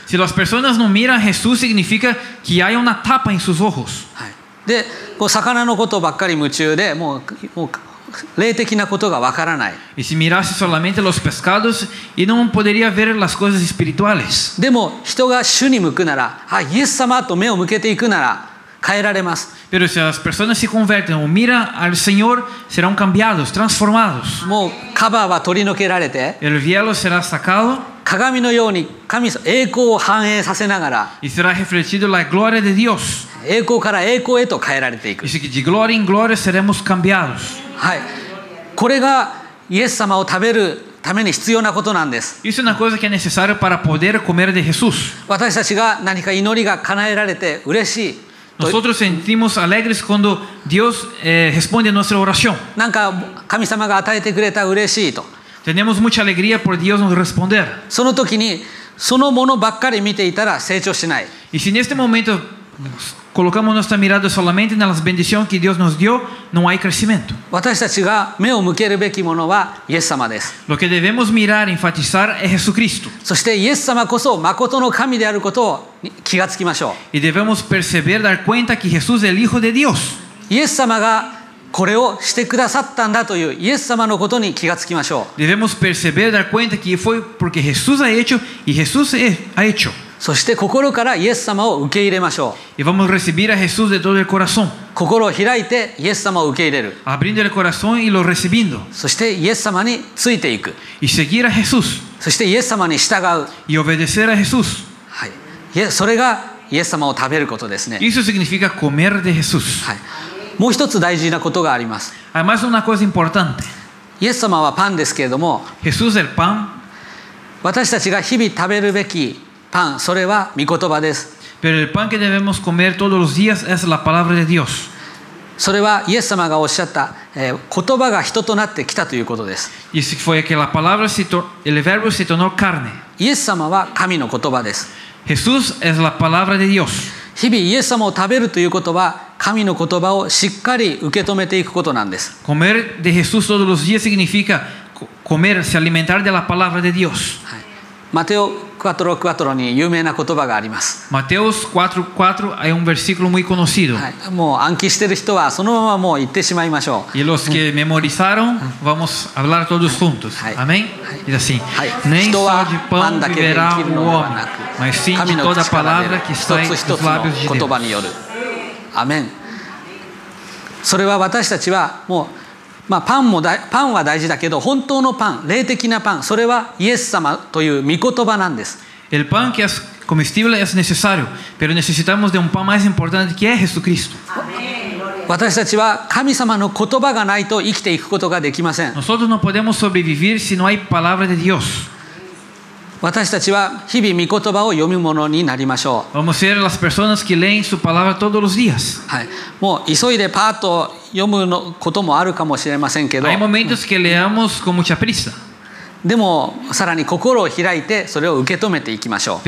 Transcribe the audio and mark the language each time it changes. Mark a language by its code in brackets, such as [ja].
[es] Si las personas no miran Jesús significa que hay una tapa en sus ojos。 [ja] はい。で、こう魚のことばっかり夢中で、もう霊的なことがわからない。 [es] Y si mirase solamente los pescados y no podría ver las cosas espirituales。 [ja] でも人が主に向くなら、あ、イエス様と目を向けていくなら変えられます。 [es] Pero si las personas se convierten o miran al Señor, serán cambiados, transformados. [ja] もうカバーは取り除けられて、 [es] el velo será sacado, [ja] 鏡のように神様栄光を反映させながら、 [es] y será reflejado la gloria de Dios. [ja] 栄光から栄光へと変えられていく。 [es] Y si de gloria en gloria seremos cambiados. [ja] はい。これがイエス様を食べるために必要なことなんです。 [es] Es una cosa que es necesario para poder comer de Jesús. [ja] 私たちが何か祈りが叶えられて嬉しい。 [es] Nosotros sentimos alegres cuando Dios responde a nuestra oración. [ja] なんか神様が与えてくれた嬉しいと。 [es] Tenemos mucha alegría por Dios nos responder. [ja] その時にそのものばっかり見ていたら成長しない。 [es] Y si en este momento colocamos nuestra mirada solamente en las bendiciones que Dios nos dio, no hay crecimiento. [ja] 私たちが目を向けるべきものはイエス様です。 [es] Lo que debemos mirar, enfatizar es Jesucristo. [ja] そしてイエス様こそ真の神であることを気がつきましょう。 [es] Y debemos perceber, dar cuenta que Jesús es el Hijo de Dios. [ja] イエス様がこれをしてくださったんだというイエス様のことに気がつきましょう。 [es] Debemos perceber, dar cuenta que fue porque Jesús ha hecho y Jesús ha hecho. [ja] そして心からイエス様を受け入れましょう。 [es] Y vamos a recibir a Jesús de todo el corazón. [ja] 心を開いてイエス様を受け入れる。 [es] Abriendo el corazón y lo recibiendo. [ja] そしてイエス様についていく。 [es] Y seguir a Jesús. [ja] そしてイエス様に従う。 [es] Y obedecer a Jesús. [ja] はい。それがイエス様を食べることですね。 [es] Eso significa comer de Jesús. [ja] はい。もう一つ大事なことがあります。 [es] Además una cosa importante. [ja] イエス様はパンですけれども。 [es] Jesús el pan. [ja] 私たちが日々食べるべきパン、それは御言葉です。 [es] Pero el pan que debemos comer todos los días es la palabra de Dios. [ja] それはイエス様がおっしゃった、言葉が人となってきたということです。 [es] Y fue que la palabra se tornó, el verbo se tornó carne. [ja] イエス様は神の言葉です。 [es] Jesús es la palabra de Dios. [ja] 日々イエス様を食べるということは、神の言葉をしっかり受け止めていくことなんです。 [es] Comer de Jesús todos los días significa comer, se alimentar de la palabra de Dios. [ja] マテオ4:4に有名な言葉があります。 [es] マテオ4:4 hay un versículo muy conocido。 [ja] もう暗記してる人はそのままもう言ってしまいましょう。 [es] Y los que memorizaron, vamos a hablar todos juntos. Amén. Y así. [ja] 人はパンだけで生きるのではなく、 [pt] mas sim de toda palavra que sai dos lábios de Deus. [ja] 言葉による。アメン。それは私たちはもう。まあ、パンは大事だけど本当のパン、霊的なパン、それはイエス様という御言葉なんです。 [es] El pan que es comestible es necesario, pero necesitamos de un pan más importante que es Jesucristo. [ja] 私たちは神様の言葉がないと生きていくことができません。 [es] Nosotros no podemos sobrevivir si no hay palabra de Dios. [ja] 私たちは日々御言葉を読み物になりましょう。 [es] Vamos ser las personas que leen su palabra todos los días. [ja] はい、もう急いでパーッと読むのこともあるかもしれませんけど、 [es] Hay momentos que leamos con mucha prisa. [ja] でもさらに心を開いてそれを受け止めていきましょう。